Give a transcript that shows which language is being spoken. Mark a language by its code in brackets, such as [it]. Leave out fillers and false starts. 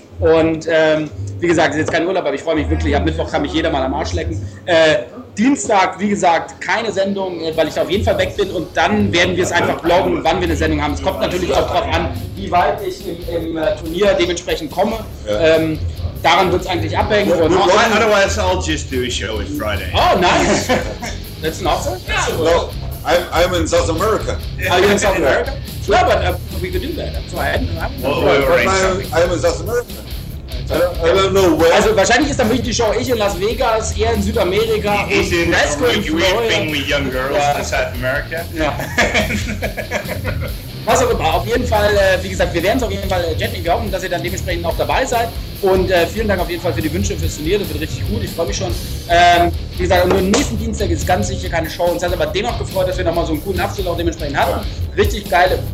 [de] Und wie gesagt, es ist jetzt kein Urlaub, aber ich freue mich wirklich. Am Mittwoch kann mich jeder mal am Arsch lecken. Dienstag, wie gesagt, keine Sendung, weil ich da auf jeden Fall weg bin. Und dann werden wir es einfach bloggen, wann wir eine Sendung haben. Es kommt natürlich auch darauf an, wie weit ich im Turnier dementsprechend komme. Daran wird es eigentlich abhängen. [en] Otherwise, I'll just do a show with Friday. Oh, nice. That's an offer? No, I'm in South America. Are you in South America? Yeah, but we could do that. I'm in South America. I don't know where. [de] Also wahrscheinlich ist dann wirklich die Show ich in Las Vegas, eher in Südamerika. [en] He's in a weird thing with young girls in South America. Yeah. [de] Was auch immer. Auf jeden Fall, wie gesagt, wir werden es auf jeden Fall, Jet, wir hoffen, dass ihr dann dementsprechend auch dabei seid. Und vielen Dank auf jeden Fall für die Wünsche fürs Turnier. Das wird richtig gut. Ich freue mich schon. Wie gesagt, nur nächsten Dienstag ist ganz sicher keine Show. Uns hat aber dennoch gefreut, dass wir nochmal so einen coolen Abschluss auch dementsprechend hatten. Ja. Richtig geile.